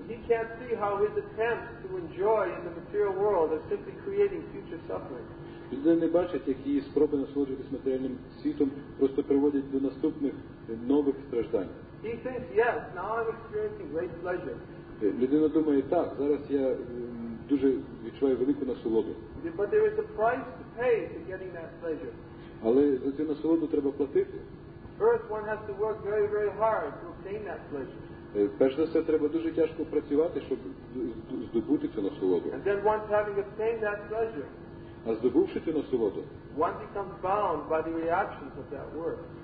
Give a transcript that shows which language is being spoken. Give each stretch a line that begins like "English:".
English: He can't see how his attempts to enjoy in the material world are simply creating future suffering.
Ukrainian: Він не бачить, як її спроби насолоджуватись матеріальним світом просто приводять до наступних нових страждань.
English: He thinks, yes, now I'm experiencing great pleasure.
Ukrainian: Людина думає, так, зараз я дуже відчуваю велику насолоду.
English: But there is a price to pay for getting that pleasure.
Ukrainian: Але за цю насолоду треба платити.
English: First, one has to work very, very hard to obtain that pleasure.
Ukrainian: Перш за все, треба дуже тяжко працювати, щоб здобути цю насолоду.
English: And then once having obtained that pleasure,
Ukrainian: а здобувши цю насолоду,
English: one becomes bound by the reactions of that work.